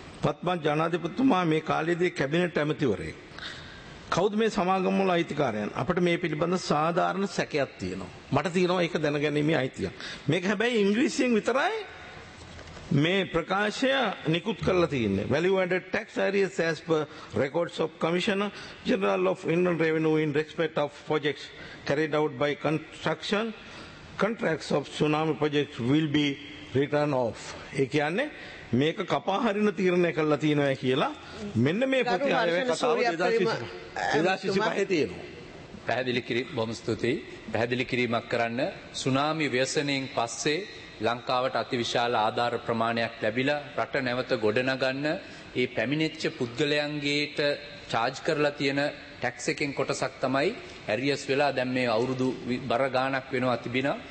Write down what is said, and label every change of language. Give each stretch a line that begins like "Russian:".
Sinhala: පත්මන් ජනාධිපතිතුමා මේ කාලයේදී කැබිනට් ඇමතිවරයෙක්. කවුද මේ සමාගම් වල අයිතිකාරයන්? අපිට මේ පිළිබඳ සාධාරණ සැකයක් තියෙනවා. මට තියෙනවා ඒක දැනගැනීමේ අයිතියක්. මේක හැබැයි ඉංග්‍රීසියෙන් විතරයි මේ ප්‍රකාශය නිකුත් කරලා තියෙන්නේ.
English: Value added tax areas as per records of Commissioner General of Internal Revenue in respect of projects carried out by construction contracts of tsunami projects will be written off.
Sinhala: ඒ කියන්නේ මේක කපා හරින තීරණය කළා තියෙනවා කියලා මෙන්න මේ ප්‍රතිආයවේ කතාව 2025 තියෙනවා. පැහැදිලි කිරීම බොහොම ස්තුතියි. පැහැදිලි කිරීමක් කරන්න, සුනාමි ව්‍යසනයෙන් පස්සේ ලංකාවට අතිවිශාල ආධාර ප්‍රමාණයක් ලැබිලා රට නැවත ගොඩනගන්න ඒ පැමිණිච්ච පුද්ගලයන්ගේට චාර්ජ් කරලා තියෙන ටැක්ස් එකෙන් කොටසක් තමයි ඇරියස් වෙලා දැන් මේ අවුරුදු බර ගාණක් වෙනවා තිබිනා.